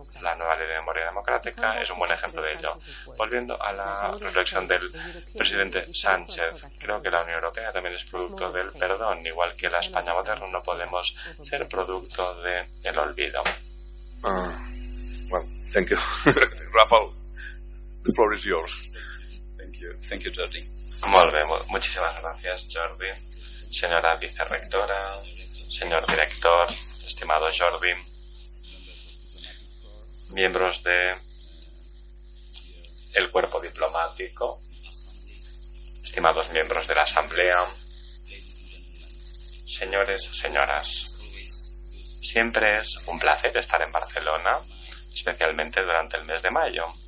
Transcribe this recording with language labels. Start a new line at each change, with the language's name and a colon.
Spanish: La nueva ley de memoria democrática es un buen ejemplo de ello. Volviendo a la reflexión del presidente Sánchez, creo que la Unión Europea también es producto del perdón. Igual que la España moderna, no podemos ser producto del olvido.
English: Well, thank you. Rafael, the floor is yours. Thank you, Jordi.
Spanish: Muy bien, muchísimas gracias, Jordi. Señora vicerrectora, señor director, estimado Jordi, miembros de el cuerpo diplomático, estimados miembros de la Asamblea, señores, señoras, siempre es un placer estar en Barcelona, especialmente durante el mes de mayo.